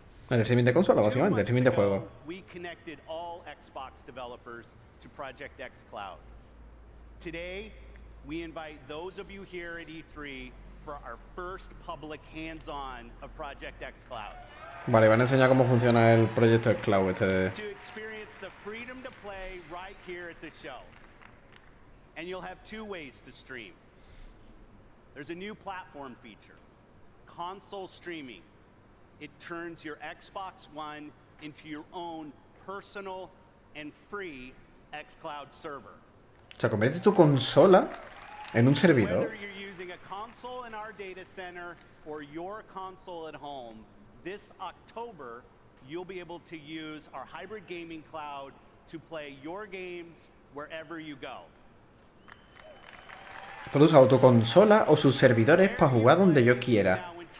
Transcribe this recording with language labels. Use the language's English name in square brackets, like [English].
[Spanish] En el streaming de consola, básicamente, el streaming de juego. [English] We connected all Xbox developers to Project xCloud. Today, we invite those of you here at E3 for our first public hands-on of Project xCloud. [Spanish] Vale, van a enseñar cómo funciona el proyecto xCloud este. [English] To experience the freedom to play right here at the show. And you'll have two ways to stream. There's a new platform feature, console streaming. It turns your Xbox One into your own personal and free xCloud server. [Spanish] O sea, convierte tu consola en un servidor. [English] Whether you're using a console in our data center or your console at home, this October, you'll be able to use our hybrid gaming cloud to play your games wherever you go. [Spanish] Puedo usar tu consola o sus servidores para jugar donde yo quiera.